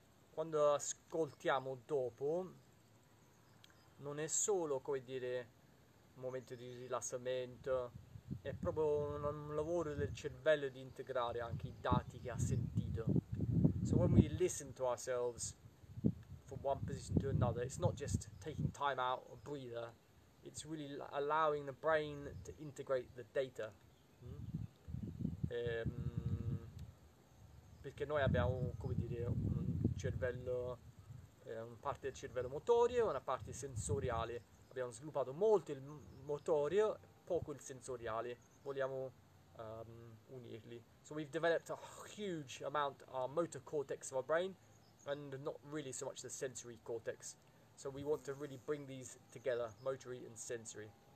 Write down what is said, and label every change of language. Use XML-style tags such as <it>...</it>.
<it>Quando ascoltiamo dopo, non è solo, come dire, un momento di rilassamento, è proprio un lavoro del cervello di integrare anche i dati che ha sentito.</it> <en>So when we listen to ourselves from one position to another, it's not just taking time out or breather, it's really allowing the brain to integrate the data.</en> <it>Perché noi abbiamo, come dire, cervello, una parte del cervello motorio e una parte sensoriale. Abbiamo sviluppato molto il motorio e poco il sensoriale. Vogliamo unirli.</it> <en>So we've developed a huge amount our motor cortex of our brain and not really so much the sensory cortex. So we want to really bring these together, motory and sensory.</en>